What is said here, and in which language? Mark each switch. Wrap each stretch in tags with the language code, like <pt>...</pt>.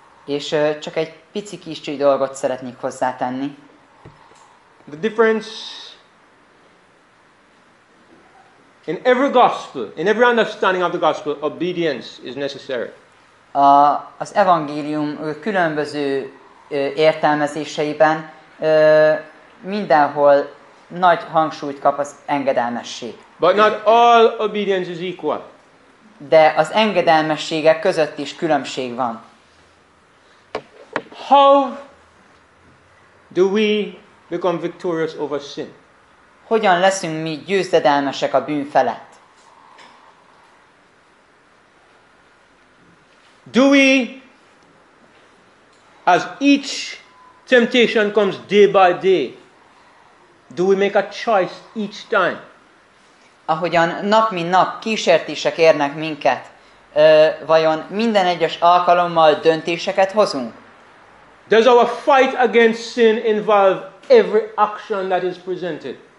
<hu>És csak egy pici kis dolgot szeretnék hozzátenni.</hu> <en>The difference in every gospel, in every understanding of the gospel, obedience is necessary.</en> <hu>Az evangélium különböző értelmezéseiben mindenhol nagy hangsúlyt kap az engedelmesség.</hu> <en>But not all obedience is equal.</en> <hu>De az engedelmességek között is különbség van.</hu> <en>How do we become victorious over sin?</en> <hu>Hogyan leszünk mi győzedelmesek a bűn felett?</hu> <en>Do we, as each temptation comes day by day, do we make a choice each time?</en> <hu>Ahogyan nap mint nap kísértések érnek minket, vajon minden egyes alkalommal döntéseket hozunk?</hu> <en>Does our fight against sin involve every action that is presented?</en>